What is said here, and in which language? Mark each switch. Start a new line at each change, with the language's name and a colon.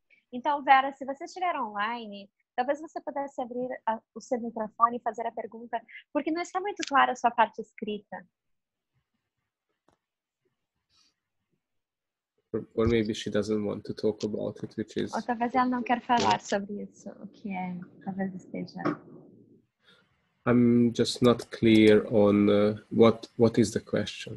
Portuguese: Então, Vera, se você estiver online, talvez você pudesse abrir o seu microfone e fazer a pergunta, porque não está muito clara a sua parte escrita.
English: Or maybe she doesn't want to talk about it, which is.
Portuguese: Ou talvez ela não quer falar sobre isso, o que é, talvez esteja.
English: I'm just not clear on what is the question.